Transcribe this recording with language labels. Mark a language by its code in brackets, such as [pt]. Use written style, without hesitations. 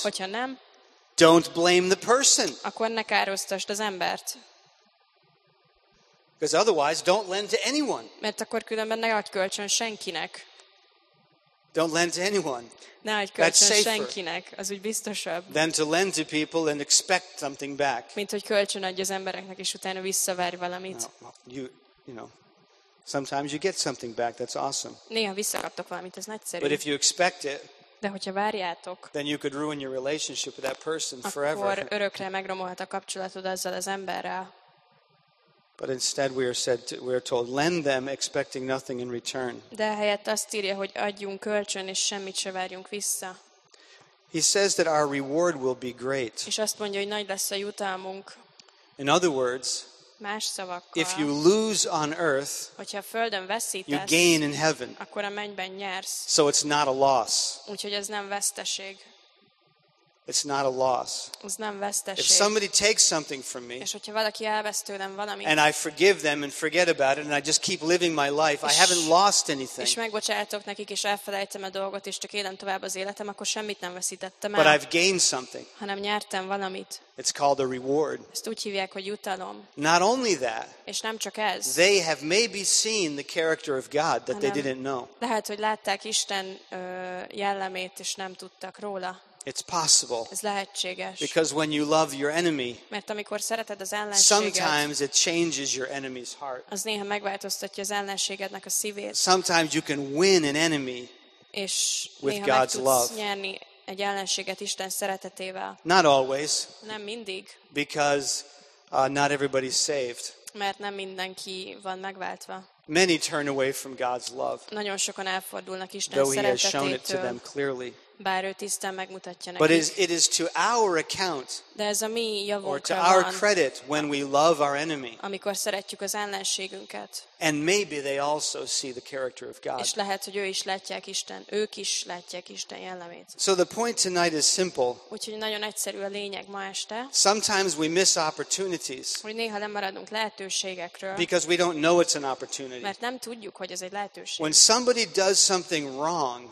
[hu] hogyha nem, [en] don't blame the person. [hu] Akkor ne károsztasd az embert. [en] Because otherwise, don't lend to anyone. [hu] Mert akkor különben ne adj kölcsön senkinek. [en] Don't lend to anyone. [hu] Ne adj kölcsön senkinek, az úgy biztosabb. [en] Than to lend to people and expect something back. [hu] Mint hogy kölcsön adj az embereknek és utána visszavárj valamit. [en] You know, sometimes you get something back. That's awesome. [hu] Néha visszakaptok valamit, ez nagyszerű. [en] But if you expect it, [hu] de hogyha várjátok, [en] then you could ruin your relationship with that person forever. [hu] Akkor örökre megromolhat a kapcsolatod azzal az emberrel. [en] But instead we are told lend them expecting nothing in return. [hu] De helyett azt írja, hogy adjunk kölcsön és semmit se várjunk vissza. [en] He says that our reward will be great. [hu] És azt mondja, hogy nagy lesz a jutalmunk. [en] In other words, [hu] más szavakkal, [en] if you lose on earth, [hu] hogyha földön veszítesz, [en] you gain in heaven. [hu] Akkor a mennyben nyersz. [en] So it's not a loss. [hu] Úgyhogy ez nem veszteség. [en] It's not a loss. [hu] Ez nem veszteség. [en] If somebody takes something from me, [hu] és hogyha valaki elvesz tőlem valamit, [en] and I forgive them and forget about it and I just keep living my life, I haven't lost anything. [hu] És megbocsátok nekik és elfelejtem a dolgot és csak élem tovább az életem, akkor semmit nem veszítettem el. [en] But I've gained something. [hu] Hanem nyertem valamit. [en] It's called a reward. [hu] Ezt úgy hívják, hogy jutalom. [en] Not only that. [hu] És nem csak ez. [en] They have maybe seen the character of God that they didn't know. [hu] Lehet, hogy látták Isten jellemét és nem tudtak róla. [en] It's possible. [hu] Ez lehetséges. [en] Because when you love your enemy, [hu] mert amikor szereted az ellenséget, [en] sometimes it changes your enemy's heart. [hu] Az néha megváltoztatja az ellenségednek a szívét. [en] Sometimes you can win an enemy [hu] és [en] with God's love. [hu] És néha meg tudsz nyerni egy ellenséget Isten szeretetével. [en] Not always. [hu] Nem mindig. [en] Because not everybody's saved. [hu] Mert nem mindenki van megváltva. [en] Many turn away from God's love. [hu] Nagyon sokan elfordulnak Isten szeretetétől. [en] Though He has shown it to them clearly. [hu] Bár ő tisztán megmutatja nekik. [en] But it is to our account. [hu] De ez a mi javunkra van. [en] Or to our credit when we love our enemy. [hu] Amikor szeretjük az ellenségünket. [en] And maybe they also see the character of God. [hu] És lehet, hogy ők is látják Isten jellemét. [en] So the point tonight is simple. [hu] Úgyhogy nagyon egyszerű a lényeg ma este. [en] Sometimes we miss opportunities. [hu] Hogy néha lemaradunk lehetőségekről. [en] Because we don't know it's an opportunity. [hu] Mert nem tudjuk, hogy ez egy lehetőség. [en] When somebody does something wrong